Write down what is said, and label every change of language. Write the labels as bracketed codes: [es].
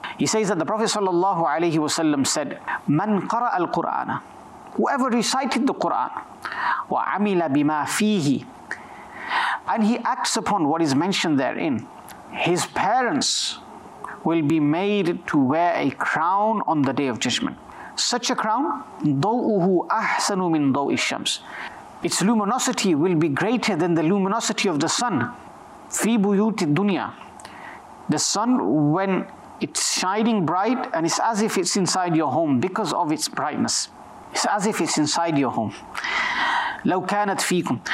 [en] He says that the Prophet ﷺ said, [ar] "Man qara'a al-Qur'ana," [en] whoever recited the Quran, [ar] "wa'amila bima fihi," [en] and he acts upon what is mentioned therein, his parents will be made to wear a crown on the Day of Judgment. Such a crown, [ar] ضوءه أحسن من ضوء الشمس. [en] Its luminosity will be greater than the luminosity of the sun. [ar] في بيوت الدنيا. [en] The sun, when it's shining bright, and it's as if it's inside your home because of its brightness. It's as if it's inside your home. [ar] لو كانت فيكم.